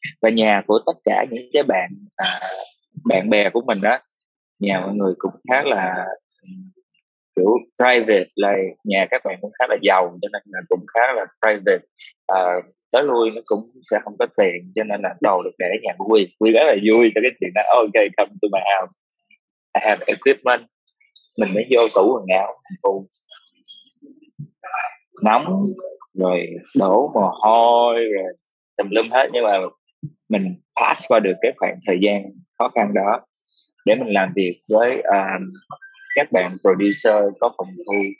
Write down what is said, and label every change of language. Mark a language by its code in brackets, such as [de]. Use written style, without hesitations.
[vi] Và nhà của tất cả những cái bạn bạn bè của mình đó, nhà mọi người cũng khá là kiểu private, là nhà các bạn cũng khá là giàu, cho nên là cũng khá là private. Tới lui nó cũng sẽ không có tiền, cho nên là đồ được để ở nhà của Quy. Quy rất là vui cho cái chuyện đó. [en] Ok, come to my house, I have equipment. [vi] Mình mới vô tủ quần áo nóng rồi đổ mồ hôi rồi tùm lum hết, nhưng mà mình pass qua được cái khoảng thời gian khó khăn đó để mình làm việc với các bạn producer có phòng thu.